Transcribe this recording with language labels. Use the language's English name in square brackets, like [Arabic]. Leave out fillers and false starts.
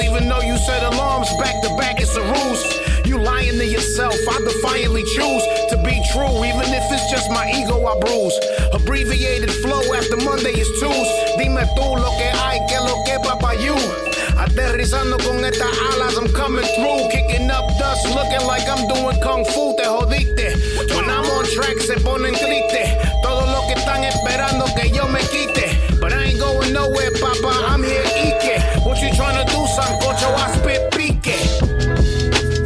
[English] Even though you set alarms back to back, it's a ruse. You lying to yourself, I defiantly choose to be true, even if it's just my ego I bruise. Abbreviated flow after Monday is twos. [Spanish] Dime tú lo que hay, que lo que va pa' you. Aterrizando con estas alas, [English] I'm coming through. Kicking up dust, looking like I'm doing kung fu. [Spanish] Te jodiste, [English] when I'm on track, [Spanish] se ponen triste. Todo lo que están esperando que yo me quite. [English] But I ain't going nowhere, papa, I'm here, Ike. What you trying to do, Sancocho, I spit pique.